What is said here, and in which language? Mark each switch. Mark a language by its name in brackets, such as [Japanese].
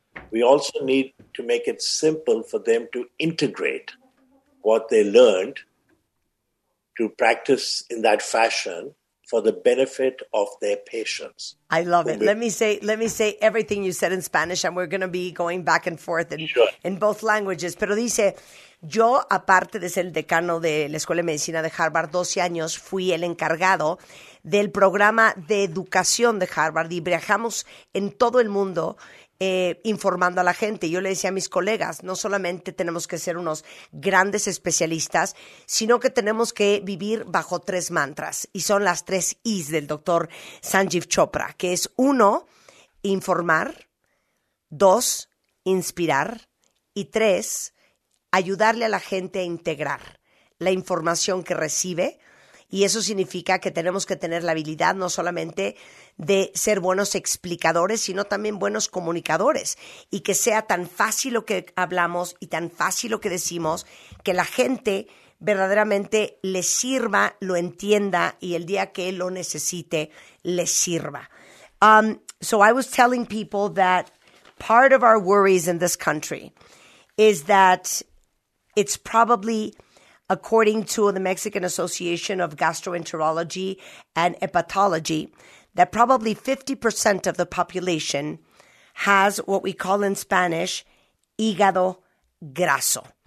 [English] We also need to make it simple for them to integrate what they learned to practice in that fashion for the benefit of their patients. I love it. Let me say everything you said in Spanish, and we're going to be going back and forth in both languages. [Spanish] Pero dice, yo, aparte de ser el decano de la Escuela de Medicina de Harvard, 12 años, fui el encargado del programa de educación de Harvard, y viajamos en todo el mundo informando a la gente. Yo le decía a mis colegas, no solamente tenemos que ser unos grandes especialistas, sino que tenemos que vivir bajo tres mantras, y son las tres I's del doctor Sanjeev Chopra, que es: uno, informar; dos, inspirar; y tres, ayudarle a la gente a integrar la información que recibe. Y eso significa que tenemos que tener la habilidad no solamente de ser buenos explicadores, sino también buenos comunicadores, y que sea tan fácil lo que hablamos y tan fácil lo que decimos, que la gente verdaderamente le sirva, lo entienda, y el día que lo necesite, le sirva. [English] So I was telling people that part of our worries in this country is that it's probably, according to the Mexican Association of Gastroenterology and Hepatology, that probably 50% of the population has what we call in Spanish hígado graso.